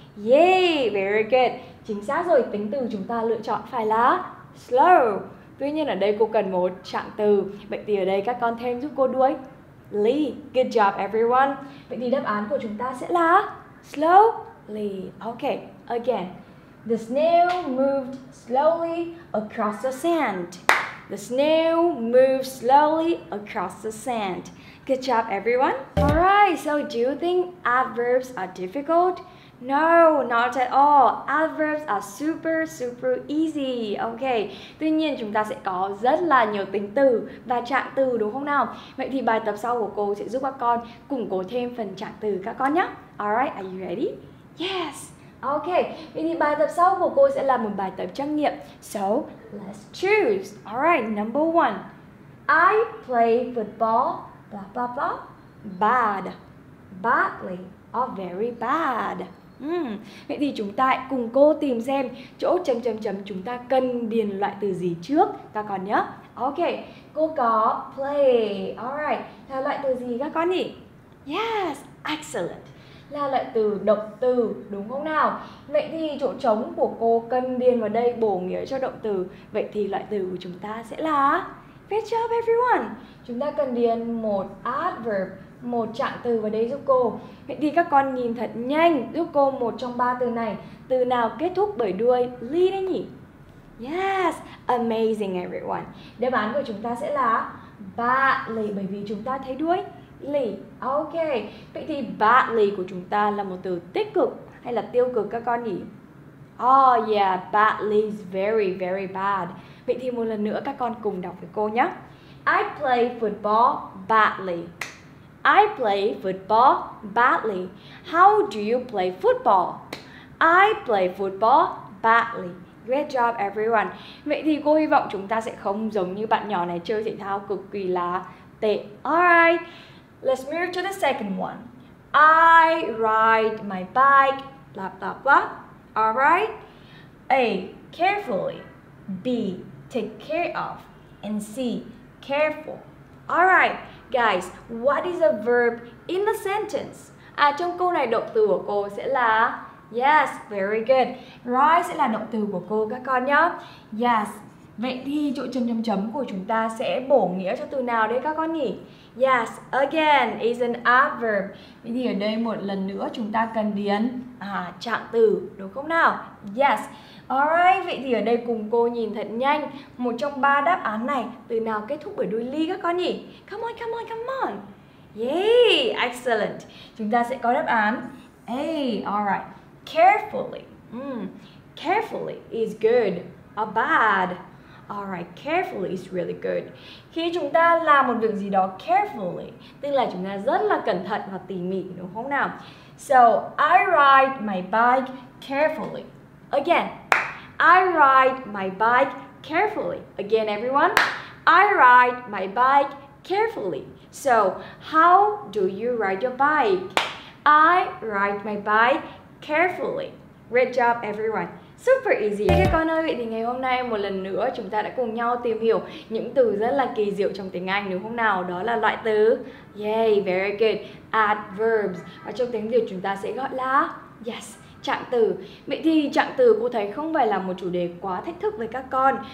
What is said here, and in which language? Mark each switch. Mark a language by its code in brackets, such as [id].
[en] Yay, very good. [vi] Chính xác rồi, tính từ chúng ta lựa chọn phải là slow. Tuy nhiên ở đây cô cần một trạng từ. Vậy thì ở đây các con thêm giúp cô đuôi ly. [en] Good job everyone. [vi] Vậy thì đáp án của chúng ta sẽ là slow. [en] Ok, again. The snail moved slowly across the sand. The snail moved slowly across the sand. Good job, everyone. Alright, so do you think adverbs are difficult? No, not at all. Adverbs are super, super easy. [vi] Ok, tuy nhiên chúng ta sẽ có rất là nhiều tính từ và trạng từ đúng không nào? Vậy thì bài tập sau của cô sẽ giúp các con củng cố thêm phần trạng từ các con nhé. [en] Alright, are you ready? Yes. Ok. [vi] Vậy thì bài tập sau của cô sẽ là một bài tập trắc nghiệm. [en] So, let's choose. Alright, number one. I play football, blah, blah, blah. Bad. Badly or very bad. [vi] Vậy thì chúng ta cùng cô tìm xem chỗ chấm chấm chấm chúng ta cần điền loại từ gì trước các con nhé. Ok. Cô có play. Alright. Theo loại từ gì các con nhỉ? [en] Yes. Excellent. [vi] Là loại từ động từ đúng không nào? Vậy thì chỗ trống của cô cần điền vào đây bổ nghĩa cho động từ. Vậy thì loại từ của chúng ta sẽ là, [en] great job everyone. [vi] Chúng ta cần điền một adverb, một trạng từ vào đây giúp cô. Vậy thì các con nhìn thật nhanh giúp cô một trong ba từ này. Từ nào kết thúc bởi đuôi ly đấy nhỉ? [en] Yes, amazing everyone. [vi] Đáp án của chúng ta sẽ là badly, bởi vì chúng ta thấy đuôi ly. Ok, vậy thì badly của chúng ta là một từ tích cực hay là tiêu cực các con nhỉ? [en] Oh yeah, badly is very very bad. [vi] Vậy thì một lần nữa các con cùng đọc với cô nhé. [en] I play football badly. I play football badly. How do you play football? I play football badly. Great job everyone. [vi] Vậy thì cô hy vọng chúng ta sẽ không giống như bạn nhỏ này chơi thể thao cực kỳ là tệ. [en] Alright, let's move to the second one. I ride my bike, blah, blah, blah. All right. A, carefully. B, take care of. And C, careful. All right, guys, what is a verb in the sentence? [vi] À, trong câu này động từ của cô sẽ là, [en] yes, very good. [vi] Ride sẽ là động từ của cô các con nhé. Yes. Vậy thì chỗ chấm chấm chấm của chúng ta sẽ bổ nghĩa cho từ nào đây các con nhỉ? [en] Yes, again, is an adverb. [vi] Vậy thì ở đây một lần nữa chúng ta cần điền trạng từ, đúng không nào? Yes. Alright, vậy thì ở đây cùng cô nhìn thật nhanh. Một trong ba đáp án này, từ nào kết thúc bởi đuôi ly các con nhỉ? [en] Come on, come on, come on. Yay, excellent. [vi] Chúng ta sẽ có đáp án A, alright. [en] Carefully. Carefully is good or bad? Alright, carefully is really good. [vi] Khi chúng ta làm một việc gì đó carefully, tức là chúng ta rất là cẩn thận và tỉ mỉ, đúng không nào? [en] So, I ride my bike carefully. Again, I ride my bike carefully. Again, everyone, I ride my bike carefully. So, how do you ride your bike? I ride my bike carefully. Great job, everyone. Super easy. [vi] Thế các con ơi, vậy thì ngày hôm nay một lần nữa chúng ta đã cùng nhau tìm hiểu những từ rất là kỳ diệu trong tiếng Anh đúng không nào? Đó là loại từ, [en] yay, very good, adverbs. [vi] Và trong tiếng Việt chúng ta sẽ gọi là, yes, trạng từ. Vậy thì trạng từ cô thấy không phải là một chủ đề quá thách thức với các con.